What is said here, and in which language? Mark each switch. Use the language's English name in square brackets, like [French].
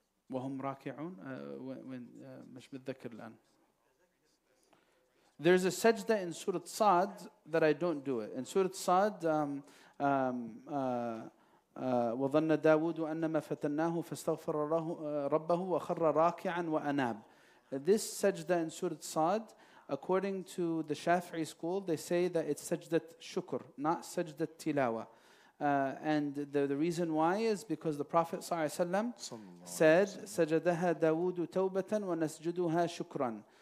[Arabic] وهم راكعون [English] when [Arabic] مش متذكر الآن. [English] There's a sajda in Surah Sa'd that I don't do it. In Surah Sa'd, [Arabic] وظن داود أنما فتناه فاستغفر ربه وخر راكعا وأناب. [English] This sajda in Surah Sa'd, according to the Shafi'i school, they say that it's sajda shukr, not sajda tilawa. And the reason why is because the Prophet ﷺ said, [Arabic] "Sajadaha Dawoodu Tawbatan wa Nasjuduha Shukran."